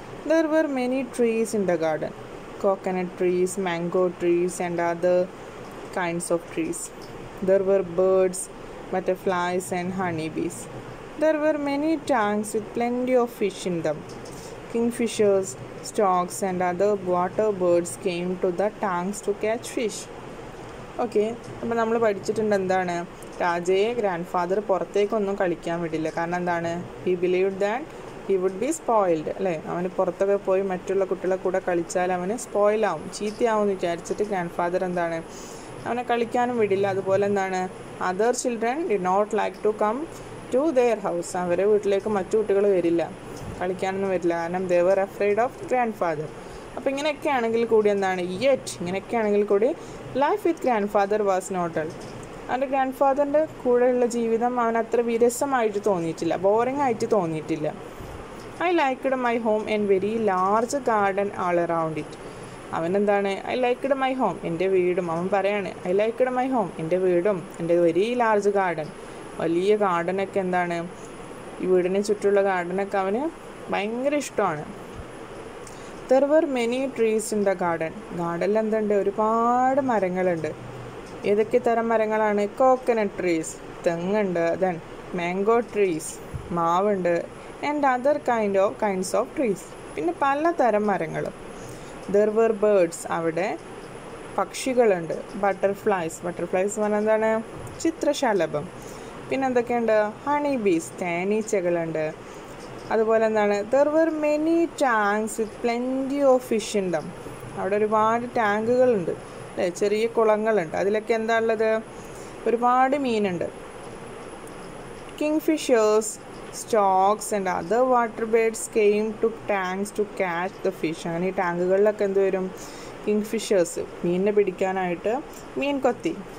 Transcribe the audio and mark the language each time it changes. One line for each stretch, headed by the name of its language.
English: There were many trees in the garden. Coconut trees, mango trees and other kinds of trees. There were birds, butterflies and honeybees. There were many tanks with plenty of fish in them. Kingfishers, storks and other water birds came to the tanks to catch fish.
Malayalam: Okay, അപ്പോൾ നമ്മൾ പഠിച്ചിട്ടുണ്ട് എന്താണ്, രാജയെ grand father പുറത്തേക്കൊന്നും കളിക്കാൻ വിടില്ല. കാരണം എന്താണ്,
English: He believed that he would be spoiled അല്ലേ.
Malayalam: അവന് പുറത്തൊക്കെ പോയി മറ്റുള്ള കുട്ടികളെ കൂടെ കളിച്ചാൽ അവന് സ്പോയിലാവും, ചീത്തയാവും എന്ന് വിചാരിച്ചിട്ട് ഗ്രാൻഡ് ഫാദർ എന്താണ് അവനെ കളിക്കാനും വിടില്ല. അതുപോലെ എന്താണ്,
English: Other children did not like to come to their house.
Malayalam: അവരെ വീട്ടിലേക്ക് മറ്റു കുട്ടികൾ വരില്ല, കളിക്കാനൊന്നും വരില്ല. കാരണം
English: They were afraid of grandfather.
Malayalam: അപ്പോൾ ഇങ്ങനെയൊക്കെയാണെങ്കിൽ കൂടി എന്താണ്,
English: yet
Malayalam: ഇങ്ങനെയൊക്കെയാണെങ്കിൽ കൂടി
English: Life with grandfather was not dull.
Malayalam: അവൻ്റെ ഗ്രാൻഡ് ഫാദറിൻ്റെ കൂടെയുള്ള ജീവിതം അവൻ അത്ര വിരസമായിട്ട് തോന്നിയിട്ടില്ല, ബോറിംഗ് ആയിട്ട് തോന്നിയിട്ടില്ല.
English: I liked my home and very large garden all around it.
Malayalam: അവനെന്താണ്,
English: I liked my home,
Malayalam: എൻ്റെ വീടും. അവൻ പറയാണ് ഐ ലൈക്ക്ഡ് മൈ ഹോം, എൻ്റെ വീടും എൻ്റെ
English: very large garden,
Malayalam: വലിയ ഗാർഡനൊക്കെ എന്താണ് ഈ വീടിനെ ചുറ്റുള്ള ഗാർഡനൊക്കെ അവന് ഭയങ്കര ഇഷ്ടമാണ്.
English: There were many trees in the garden.
Malayalam: ഗാർഡനിൽ എന്തുണ്ട്, ഒരുപാട് മരങ്ങളുണ്ട്. ഏതൊക്കെ തരം മരങ്ങളാണ്,
English: coconut trees,
Malayalam: തെങ്ങുണ്ട്,
English: then mango trees,
Malayalam: മാവുണ്ട്,
English: And other kinds of trees.
Malayalam: പിന്നെ പല തരം മരങ്ങളും.
English: There were birds.
Malayalam: അവിടെ പക്ഷികളുണ്ട്, ബട്ടർഫ്ലൈസ്. ബട്ടർഫ്ലൈസ് എന്ന് പറഞ്ഞാൽ എന്താണ്, ചിത്രശലഭം. പിന്നെ എന്തൊക്കെയുണ്ട്, ഹണി ബീസ്, തേനീച്ചകളുണ്ട്. അതുപോലെ എന്താണ്,
English: there were many tanks with plenty of fish in them.
Malayalam: അവിടെ ഒരുപാട് ടാങ്കുകളുണ്ട് അല്ലേ, ചെറിയ കുളങ്ങളുണ്ട്. അതിലൊക്കെ എന്താ ഉള്ളത്, ഒരുപാട് മീനുണ്ട്.
English: Kingfishers, storks and other water birds came to tanks to catch the fish.
Malayalam: അങ്ങനെ ഈ ടാങ്കുകളിലൊക്കെ എന്ത് വരും, കിങ്ഫിഷേഴ്സ്, മീനിനെ പിടിക്കാനായിട്ട് മീൻ കൊത്തി.